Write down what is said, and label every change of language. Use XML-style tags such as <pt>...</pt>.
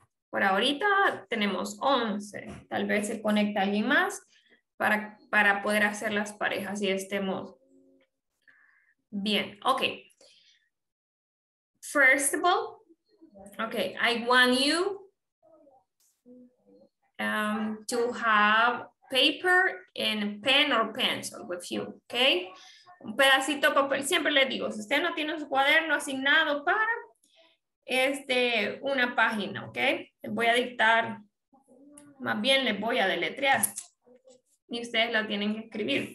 <es>Por ahorita tenemos 11. Tal vez se conecta alguien más para poder hacer las parejas y estemos bien. Ok.</es> <en>First of all, okay, I want you to have paper and pen or pencil with you.</en> <es>Okay. Un pedacito de papel. Siempre les digo, si usted no tiene su cuaderno asignado para una página, ¿ok? Les voy a dictar, más bien les voy a deletrear y ustedes la tienen que escribir.</es>